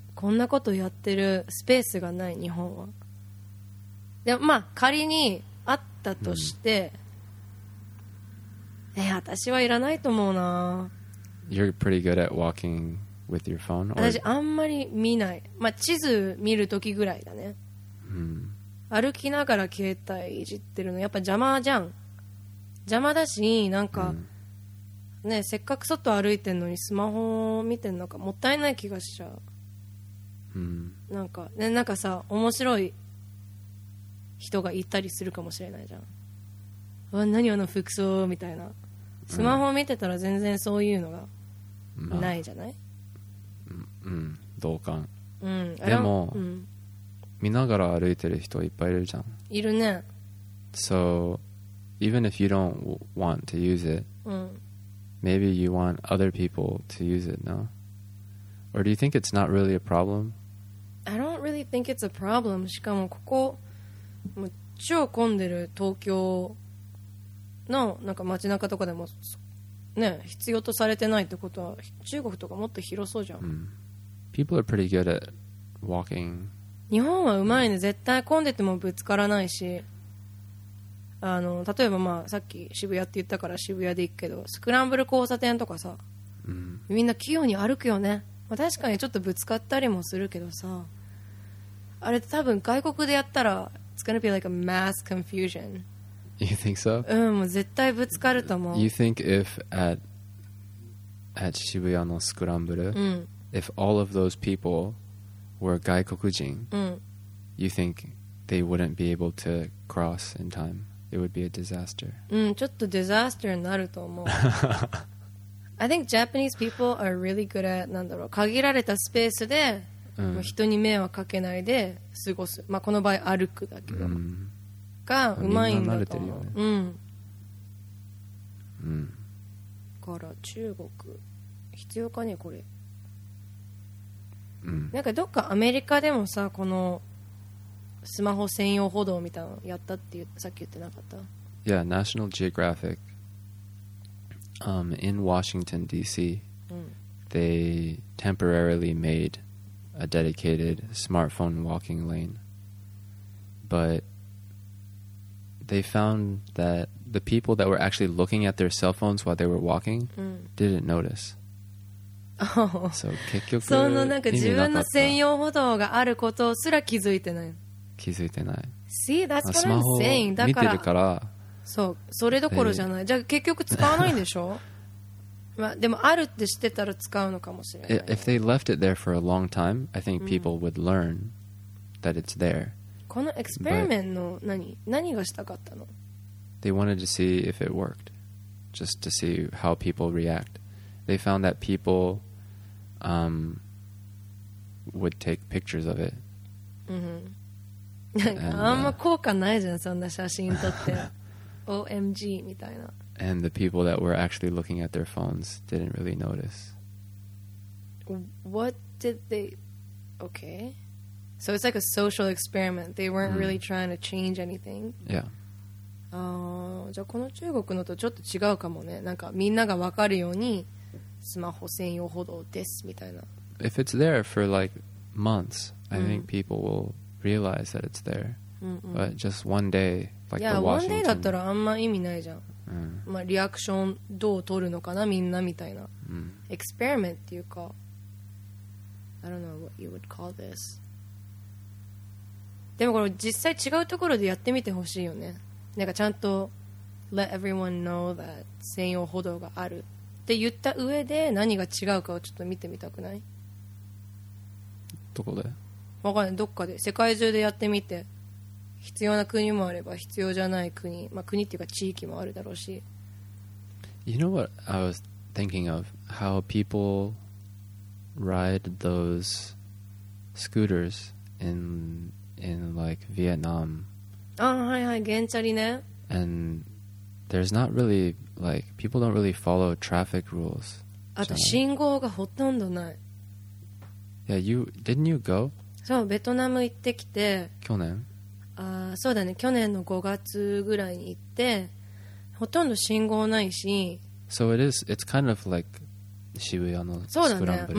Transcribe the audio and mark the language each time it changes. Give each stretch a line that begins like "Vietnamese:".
Japanese: こんなことやってるスペースがない日本は。でまあ、仮にあったとして、うん、私はいらないと思うな。
English: You're pretty good at walking with your phone? Or...
Japanese: 私あんまり見ない、まあ、地図見るときぐらいだね、うん、歩きながら携帯いじってるのやっぱ邪魔じゃん。邪魔だしなんか、うん、ね、せっかく外歩いてんのにスマホ見てんのかもったいない気がしちゃう、うん、なんか、ね、なんかさ面白い人がいたりするかもしれないじゃん。何あの服装みたいな。スマホ見てたら全然そういうのがないじゃない？まあ、うん、同感。うん、でも、うん、見ながら歩いてる人いっぱいいるじゃん。いるね。
English: So even if you don't want to use it,、
Japanese: うん、
English: maybe you want other people to use it, no? Or do you think it's not really a problem? I don't really think it's a problem.
Japanese: しかもここもう超混んでる東京のなんか街中とかでも、ね、必要とされてないってことは中国とかもっと広そうじゃん、
English: mm. People are pretty good at walking.
Japanese: 日本はうまいね、mm. 絶対混んでてもぶつからないし、あの例えば、まあ、さっき渋谷って言ったから渋谷で行くけどスクランブル交差点とかさ、 mm. みんな器用に歩くよね、まあ、確かにちょっとぶつかったりもするけどさ、あれ多分外国でやったら
English: It's gonna be like a mass confusion. You think so?
Japanese: うん、もう絶対ぶつかると思う。
English: You think if at Shibuya
Japanese: のスクランブル、うん、
English: if all of those people were 外国人、
Japanese: うん、
English: you think they wouldn't be able to cross in time? It would be a disaster.
Japanese: うん、ちょっとディザスターになると思う。
English: I think Japanese people are really good at
Japanese: なんだろう、限られたスペースで。うん、人に迷惑かけないで過ごす、まあ、この場合歩くだけど、うん、がうまいんだと思う、ね、うん、うん、から中国必要かねこれ、うん、なんかどっかアメリカでもさこのスマホ専用歩道みたいなのやったってさっき言ってなかった？
English: Yeah, National Geographic in Washington D.C.、
Japanese: うん、
English: they temporarily madeea dedicated smartphone walking lane. But they found that the people that were actually looking at their cell phones while they were walking、
Japanese: うん、
English: didn't notice. Oh.
Japanese: So, 結局、そのなんか自分の専用歩道があることすら気づいてない。気づいてない。
English: See, that's what I'm saying.
Japanese: だから、スマホを見てるから、そう、それどころじゃない。じゃあ結局使わないんでしょ？まあ、でもあるって知ってたら使うのかもしれない。
English: If they left it there for a long time, I think people、うん、would learn that it's there.
Japanese: このエクスペリメントの何がしたかったの？
English: They wanted to see if it worked. Just to see how people react. They found that people、would take pictures of it.
Japanese: あんま効果ないじゃん、そんな写真撮って。 OMG みたいな。
English: And the people that were actually looking at their phones didn't really notice. What did they... Okay. So it's like a social experiment. They weren't really trying to change anything. Yeah.
Japanese: じゃあこの中国のとちょっと違うかもね。なんかみんながわかるようにスマホ専用歩道ですみたいな。
English: If it's there for like months, I think people will realize that it's there. But just one day, like the Washington. Yeah, one day
Japanese: だったらあんま意味ないじゃん。まあリアクションどう取るのかなみんなみたいな。 Experiment っていうか。
English: I don't know what you would call this.
Japanese: でもこれ実際違うところでやってみてほしいよね。なんかちゃんと
English: let everyone know that
Japanese: 専用歩道があるって言った上で何が違うかをちょっと見てみたくない？どこで？わかんない。どっかで世界中でやってみて、必要な国もあれば必要じゃない国、まあ国っていうか地域もあるだろうし。
English: You know what I was thinking of? How people ride those scooters in like Vietnam.
Japanese: Ah, hi, hi, 原チャリね.
English: And there's not really like people don't really follow traffic rules.
Japanese: あと信号がほとんどない.
English: Yeah, you didn't you go?
Japanese: そう、ベトナム行ってきて。去年? Ah, そうだね。去年の5月ぐらいに行って、ほとんど信号ないし。
English: So it is. It's kind of like. Shibuya のスクランブル、